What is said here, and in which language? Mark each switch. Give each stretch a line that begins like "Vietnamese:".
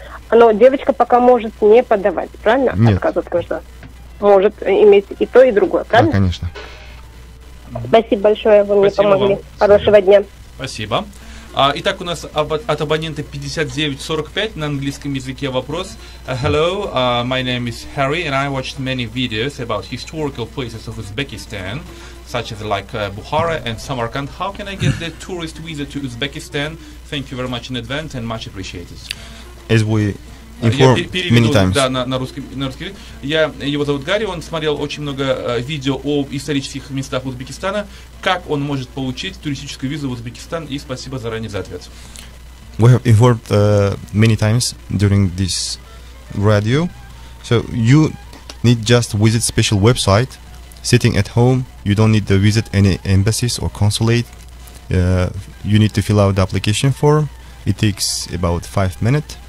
Russian: Но девочка пока может не подавать, правильно? Нет. Отказ от гражданства. Может иметь и то, и другое, правильно? Да, конечно. Спасибо большое, вы мне помогли. Хорошего дня. Спасибо. Итак, у нас от абонента 5945 на английском языке вопрос.
English: Hello, my name is Harry, and I watched many videos about historical places of Uzbekistan, such as like Bukhara and Samarkand. How can I get the tourist visa to Uzbekistan? Thank you very much in advance and much appreciated. As we informed many times.
Russian: Да, на русский. Я, его зовут Гарри, он смотрел очень много видео о исторических местах Узбекистана. Как он может получить туристическую визу в Узбекистан? И спасибо заранее за ответ.
English: We have informed many times during this radio. So you need just visit special website. Sitting at home, you don't need to visit any embassies or consulate. You need to fill out the application form. It takes about 5 minutes.